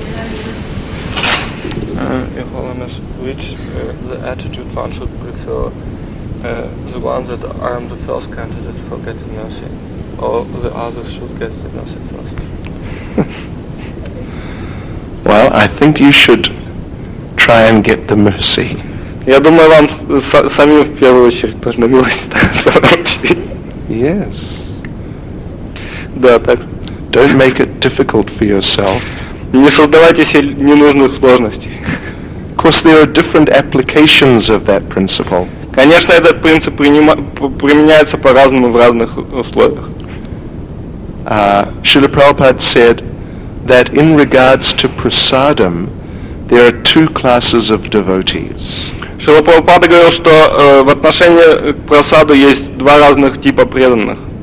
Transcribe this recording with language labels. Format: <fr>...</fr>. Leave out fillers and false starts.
<en>Your Holiness, which the attitude one should prefer, the one that I am the first candidate for getting mercy, or the other should get the mercy first? Well, I think you should try and get the mercy.</en> <ru>Я думаю, вам самим в первую очередь должно было стараться получить.</ru> <en>Yes.</en> <ru>Да, так.</ru> <en>Don't make it difficult for yourself.</en> <ru>Не создавайте себе ненужных сложностей.</ru> <en>Of course, there are different applications of that principle.</en> <ru>Конечно, этот принцип применяется по-разному в разных условиях.</ru> <en>Шрила Прабхупада said that in regards to prasadam, there are two classes of devotees.</en> <ru>Шрила Прабхупада говорил, что в отношении к просаду есть два разных типа преданных.</ru>